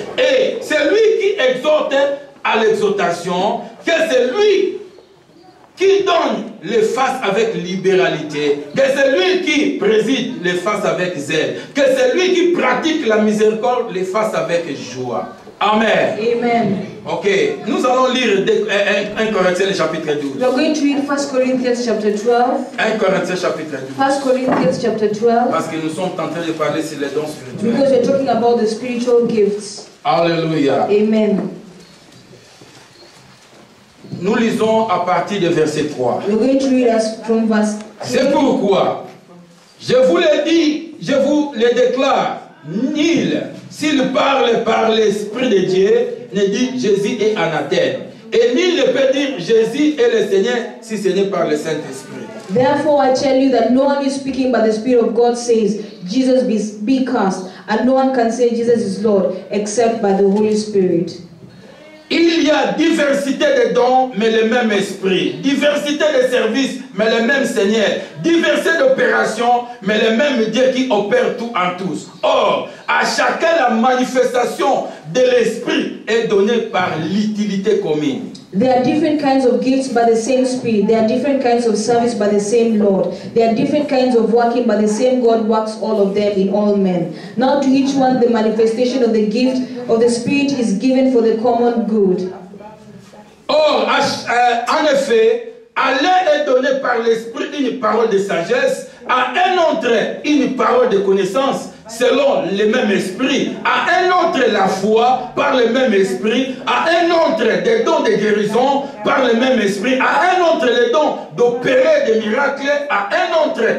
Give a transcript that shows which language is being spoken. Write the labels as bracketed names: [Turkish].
[French] Et celui qui exhorte à l'exhortation, que celui qui donne les fasses avec libéralité, que celui qui préside les fasses avec zèle, que celui qui pratique la miséricorde les fasses avec joie. Amen. Amen. Ok, nous allons lire 1 Corinthiens chapitre 12. [English] We're going to read 1 [French] Corinthiens chapitre 12. 1 Corinthiens chapitre 12. 1 Corinthiens chapitre 12. Parce que nous sommes en train de parler sur les dons spirituels. [English] Because we're talking about the spiritual gifts. Alléluia. Amen. [French] Nous lisons à partir de verset 3. [English] We're going to read us from verse 3. [French] C'est pourquoi je vous le dis, je vous le déclare, nul, s'il parle par l'Esprit de Dieu, ne dit Jésus est anathème. Et nul ne peut dire Jésus est le Seigneur si ce n'est par le Saint-Esprit. [English] Therefore, I tell you that no one is speaking by the Spirit of God says, Jesus be cursed. And no one can say Jesus is Lord except by the Holy Spirit. [French] Il y a diversité de dons, mais le même Esprit. Diversité de services, mais le même Seigneur. Diversité d'opérations, mais le même Dieu qui opère tout en tous. Or, à chacun la manifestation de l'Esprit est donnée par l'utilité commune. [English] There are different kinds of gifts by the same Spirit. There are different kinds of service by the same Lord. There are different kinds of working, but the same God works all of them in all men. Now to each one the manifestation of the gift of the Spirit is given for the common good. [French] Or, en effet, à l'un est donné par l'Esprit une parole de sagesse, à un autre une parole de connaissance, selon le même esprit, à un autre la foi par le même esprit, à un autre des dons de guérison par le même esprit, à un autre les dons d'opérer des miracles, à un autre